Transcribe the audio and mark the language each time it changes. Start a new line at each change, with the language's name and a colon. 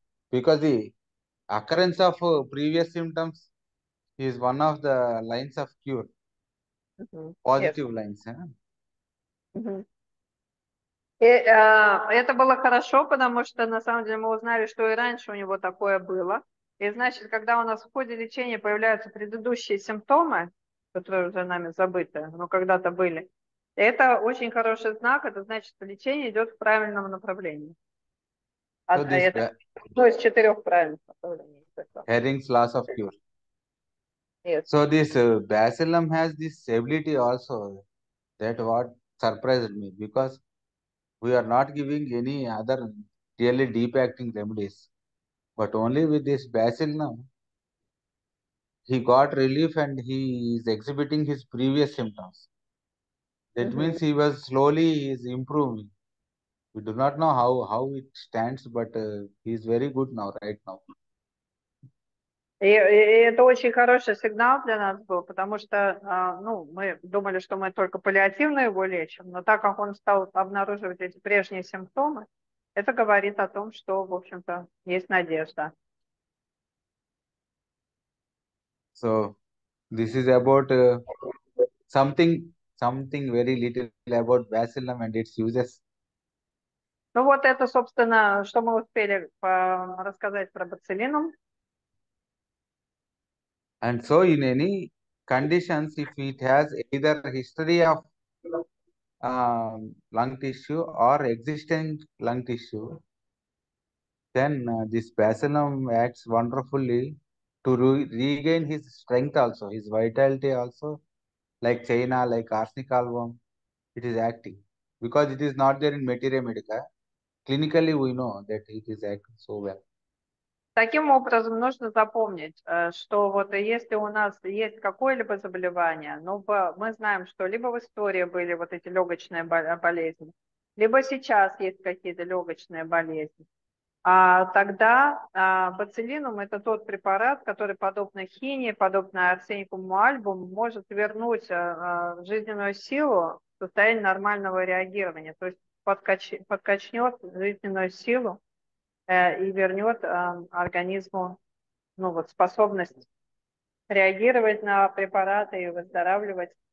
English: Because the occurrence of previous symptoms is one of the lines of cure, Yes. positive lines.
Russian: И, это было хорошо, потому что на самом деле мы узнали, что и раньше у него такое было. И значит, когда у нас в ходе лечения появляются предыдущие симптомы, которые уже нами забыты, но когда-то были, это очень хороший знак, это значит, что лечение идет в правильном направлении.
English: So this
Russian: Это одно из четырех правильных направлений.
English: Herring's loss of cure. Yes. So this bacillum has this ability also, that what surprised me, because we are not giving any other really deep acting remedies, but only with this bacillum he got relief and he is exhibiting his previous symptoms. That means he was slowly is improving. We do not know how it stands, but he is very good now, right now.
Russian: И это очень хороший сигнал для нас был, потому что ну, мы думали, что мы только паллиативно его лечим, но так как он стал обнаруживать эти прежние симптомы, это говорит о том, что, в общем-то, есть надежда.
English: So, this is about something very little about bacillum and its uses.
Russian: Ну вот это, собственно, что мы успели рассказать про бацилинум.
English: And so in any conditions, if it has either history of lung tissue or existing lung tissue, then this bacillum acts wonderfully to regain his strength also, his vitality also, like China, like arsenic album, it is acting. Because it is not there in materia medica, clinically we know that it is acting so well.
Russian: Таким образом, нужно запомнить, что вот если у нас есть какое-либо заболевание, но мы знаем, что либо в истории были вот эти легочные болезни, либо сейчас есть какие-то легочные болезни, тогда бацилинум – это тот препарат, который подобно хине, подобно арсеникуму альбум, может вернуть жизненную силу в состояние нормального реагирования, то есть подкачнет жизненную силу и вернет организму ну, вот, способность реагировать на препараты и выздоравливать.